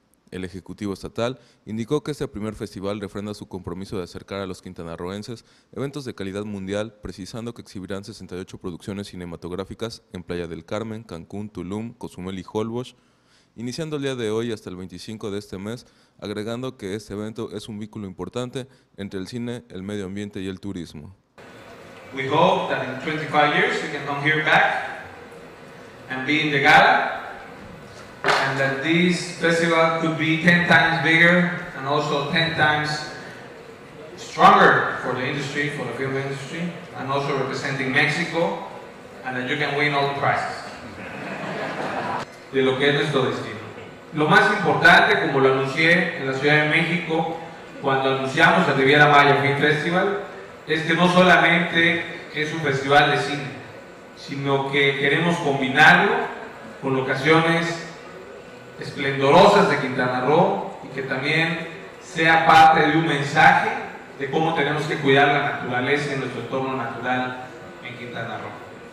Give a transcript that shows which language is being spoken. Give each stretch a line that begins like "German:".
Spanish: El Ejecutivo Estatal indicó que este primer festival refrenda su compromiso de acercar a los quintanarroenses eventos de calidad mundial, precisando que exhibirán 68 producciones cinematográficas en Playa del Carmen, Cancún, Tulum, Cozumel y Holbox, iniciando el día de hoy hasta el 25 de este mes, agregando que este evento es un vínculo importante entre el cine, el medio ambiente y el turismo.
English: We hope that in 25 years we can come here back and be in the gala, and that this festival could be 10 times bigger and also 10 times stronger for the industry, for the film industry, and also representing Mexico, and that you can win all the prizes.
Spanish: De lo que es nuestro destino. Lo más importante, como lo anuncié en la Ciudad de México cuando anunciamos el Riviera Maya Film Festival, es que no solamente es un festival de cine, sino que queremos combinarlo con ocasiones esplendorosas de Quintana Roo y que también sea parte de un mensaje de cómo tenemos que cuidar la naturaleza y nuestro entorno natural en Quintana Roo.